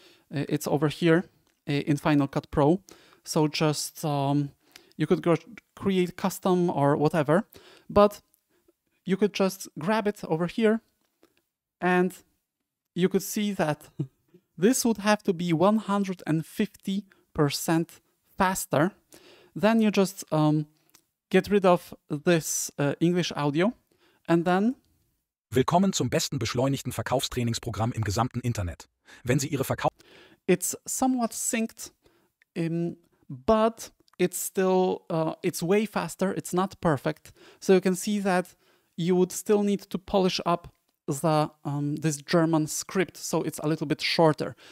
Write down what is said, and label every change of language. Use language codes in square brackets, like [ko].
[en] It's over here in Final Cut Pro. So just you could go create custom or whatever, but you could just grab it over here, and you could see that this would have to be 150% faster. Then you just get rid of this English audio, and then [de] willkommen zum besten beschleunigten Verkaufstrainingsprogramm im gesamten Internet. Wenn Sie Ihre Verkauf... [en] It's somewhat synced, but it's still, it's way faster, it's not perfect. So you can see that you would still need to polish up the this German script, so it's a little bit shorter.